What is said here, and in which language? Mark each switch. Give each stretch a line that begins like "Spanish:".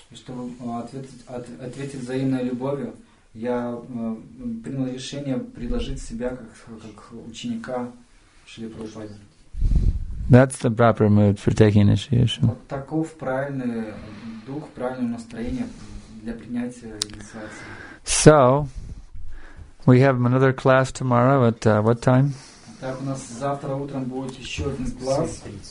Russian: И чтобы ответить взаимной любовью, я принял решение предложить себя как ученика Шри Прабхупады.
English: That's the proper mood for taking initiation.
Russian: Вот таков правильный дух, правильное настроение для принятия инициации.
English: So, we have another class tomorrow at what time?
Russian: Так у нас завтра утром будет ещё один класс.